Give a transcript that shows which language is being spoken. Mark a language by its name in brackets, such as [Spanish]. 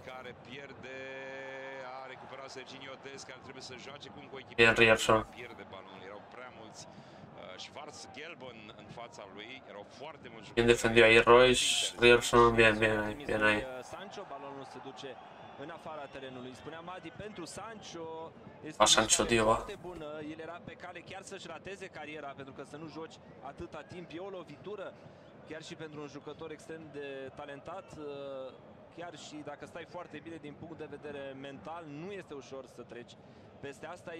[Romanian] Care pierde, a recuperat Serginio Des, care trebuie să joace cu echipa. [Spanish] Bien Ryerson. [Romanian] Pierde balon, erau prea mulți. Schwarz-Gelben în fața lui, erau foarte mulți. [Spanish] Bien defendido ahí Royce, Ryerson, bien, bien ahí, bien ahí. [Romanian] Sancho, balonul se duce în afara terenului. Spunea Madi, pentru Sancho este Sancho, tío, foarte bună. El era pe cale chiar să-și rateze cariera, pentru că să nu joci atâta timp e o lovitură, chiar și pentru un jucător extrem de talentat, chiar și dacă stai foarte bine din punct de vedere mental, nu este ușor să treci peste asta.